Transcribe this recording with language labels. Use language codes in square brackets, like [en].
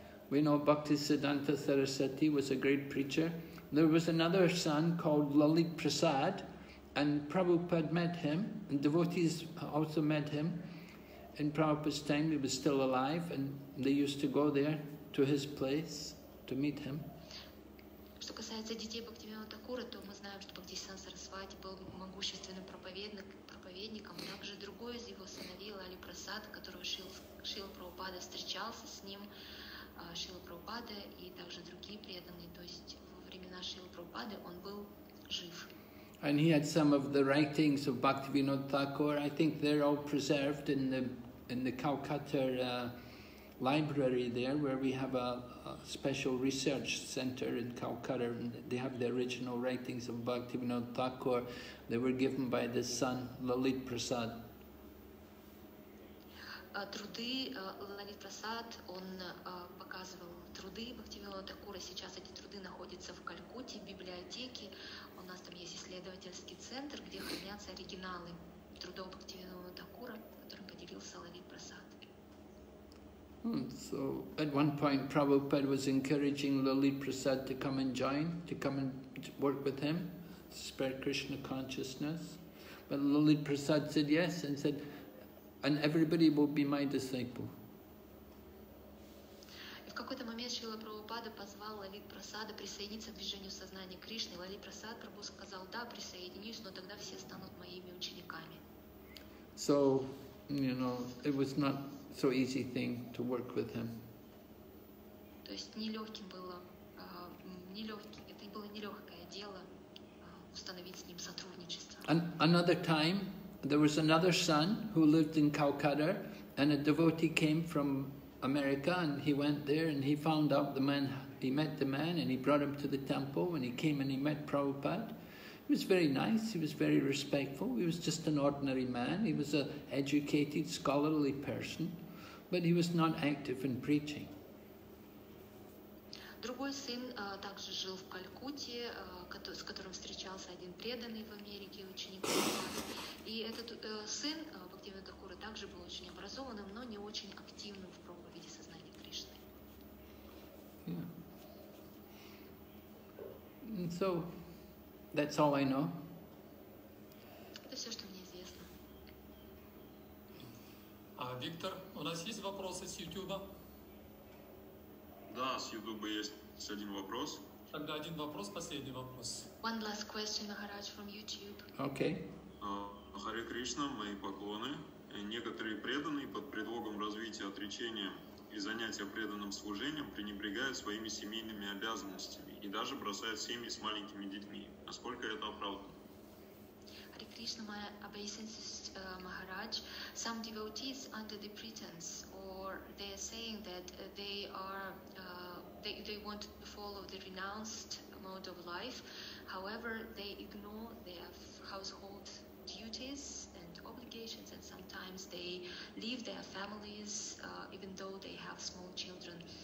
[en] We know Bhaktisiddhanta Sarasvati was a great preacher. There was another son called Lalit Prasad, and Prabhupada met him, and devotees also met him. In Prabhupada's time, he was still alive, and they used to go there to his place to meet him. [ru] Что касается детей Бхактивинода Такура, то мы знаем, что Бхактисиддханта Сарасвати был могущественным проповедником. Также другой из его сыновей, Лали Прасад, которого Шрила Прабхупада встречался с ним. Шрила Прабхупада и также другие преданные, то есть во времена Шрила Прабхупады он был жив. [en] And he had some of the writings of Bhaktivinoda Thakur. I think they're all preserved in the Calcutta library there, where we have a special research center in Calcutta. And they have the original writings of Bhaktivinoda Thakur. They were given by the son Lalit Prasad. [ru] Труды Лалит Прасад, он показывал труды Бхактивинода Такура. Сейчас эти труды находятся в Калькутте, в библиотеке. У нас там есть исследовательский центр, где хранятся оригиналы трудов Бхактивинода Такура, которым поделился Лалит Прасад. [en] So at one point Prabhupada was encouraging Лалит Прасад to come and join, to come and work with him, spread Krishna consciousness. But Лалит Прасад said yes and said, and everybody will be my disciple. [ru] И в какой-то момент Шрила Прабхупада позвал Лалит Прасада присоединиться к движению сознания Кришны. Лалит Прасад Прабху сказал, да, присоединюсь, но тогда все станут моими учениками. [en] So, you know, it was not so easy thing to work with him. [ru] То есть нелегкое дело установить с ним сотрудничество. [en] Another time, there was another son who lived in Calcutta, and a devotee came from America, and he went there and he found out the man, he met the man and he brought him to the temple, and he came and he met Prabhupada. He was very nice, he was very respectful, he was just an ordinary man, he was an educated, scholarly person, but he was not active in preaching. [ru] Другой сын также жил в Калькутте, с которым встречался один преданный в Америке ученик. И этот сын Бхактивинода Такура также был очень образованным, но не очень активным в проповеди сознания Кришны. [en] Yeah. So that's all I know. [ru] Это все, что мне известно. Виктор, у нас есть вопросы с YouTube? Да, с YouTube есть. Один вопрос. Тогда один вопрос, последний вопрос. [en] One last question, Maharaj, from YouTube. Okay. [ru] Харе Кришна, мои поклоны. Некоторые преданные под предлогом развития говорите отречение и занятия преданным служением, пренебрегают своими семейными обязанностями и даже бросают семьи с маленькими детьми. Насколько это оправдано? [en] Hare Krishna, my obeisances, Maharaj. Some devotees, under the pretense, or they're saying that they are, they want to follow the renounced mode of life. However, they ignore their household duties and obligations, and sometimes they leave their families, even though they have small children.